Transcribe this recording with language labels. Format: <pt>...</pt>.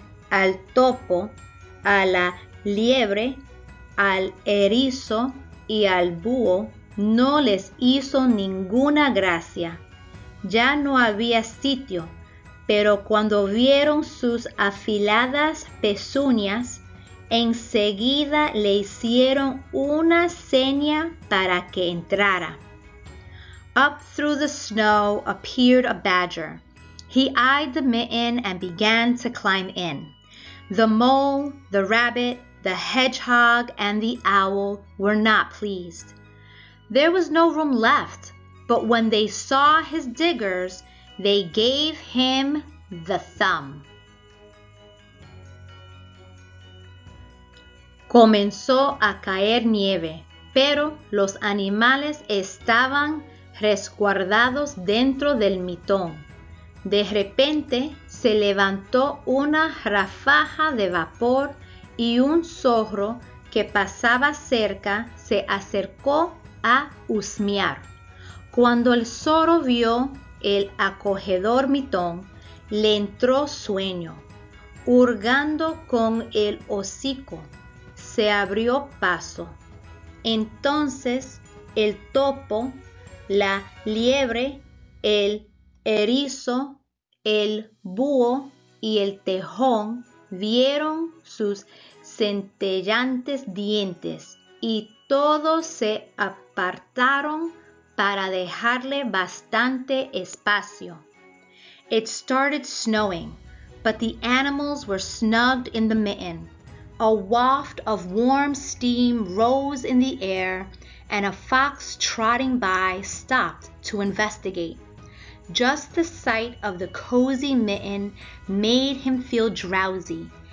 <es>Al topo, a la liebre, al erizo y al búho no les hizo ninguna gracia. Ya no había sitio, pero cuando vieron sus afiladas pezuñas, enseguida le hicieron una seña para que entrara.</es> <en>Up through the snow appeared a badger. He eyed the mitten and began to climb in. The mole, the rabbit, the hedgehog, and the owl were not pleased. There was no room left, but when they saw his diggers, they gave him the thumb.</en> <es>Comenzó a caer nieve, pero los animales estaban resguardados dentro del mitón. De repente se levantó una ráfaga de vapor y un zorro que pasaba cerca se acercó a husmear. Cuando el zorro vio el acogedor mitón, le entró sueño, hurgando con el hocico. Se abrió paso. Entonces el topo, la liebre, el erizo, el búho y el tejón vieron sus centellantes dientes y todos se apartaron para dejarle bastante espacio.</es> <en>It started snowing, but the animals were snugged in the mitten. A waft of warm steam rose in the air, and a fox trotting by stopped to investigate. Just the sight of the cozy mitten made him feel drowsy.</en>